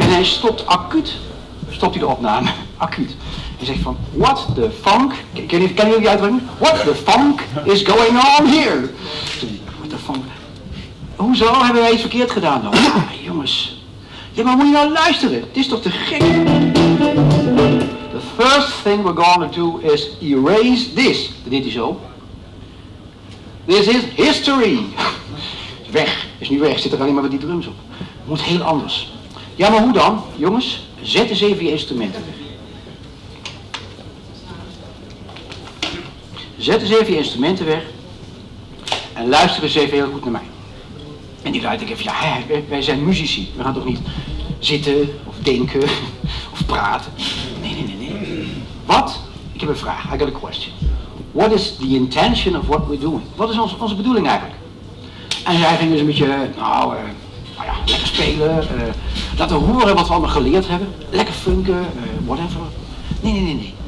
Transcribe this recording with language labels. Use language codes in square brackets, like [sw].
[nl] En hij stopt acuut. Stopt hij de opname. Acuut. Hij zegt van, [en] what the funk? [nl] Kennen jullie die uitdrukking? [en] What the funk is going on here? What the funk? [nl] Hoezo hebben wij iets verkeerd gedaan dan? Ja, jongens. Ja, maar moet je nou luisteren? Het is toch te gek? [en] The first thing we're gonna do is erase this. [nl] Dit is zo. [en] This is history. [nl] Weg. Is nu weg. Zit er alleen maar met die drums op. Moet heel anders. Ja, maar hoe dan? Jongens, zet eens even je instrumenten weg. Zet eens even je instrumenten weg. En luister eens even heel goed naar mij. En die luidt, ik even, ja, wij zijn muzici. We gaan toch niet zitten, of denken, of praten. Nee. Wat? Ik heb een vraag. [en] I got a question. What is the intention of what we're doing? [nl] Wat is onze bedoeling eigenlijk? En zij gingen dus een beetje, lekker spelen. Laten horen wat we allemaal geleerd hebben. Lekker funken, whatever. Nee.